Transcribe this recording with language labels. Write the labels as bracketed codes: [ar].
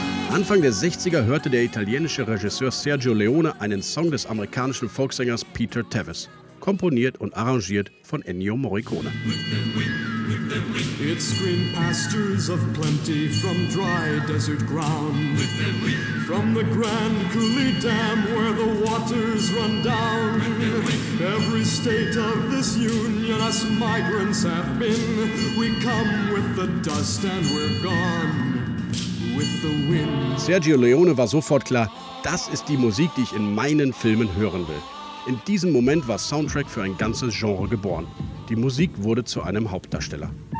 [de] Anfang der 60er hörte der italienische Regisseur Sergio Leone einen Song des amerikanischen Folksängers Peter Tevis, komponiert und arrangiert von Ennio Morricone. [en] It's green pastures of plenty from dry desert ground. From the Grand Coulee Dam where the waters run down. Every state of this union us migrants have been. We come with the dust and we're gone. [de] Sergio Leone war sofort klar, das ist die Musik, die ich in meinen Filmen hören will. In diesem Moment war Soundtrack für ein ganzes Genre geboren. Die Musik wurde zu einem Hauptdarsteller.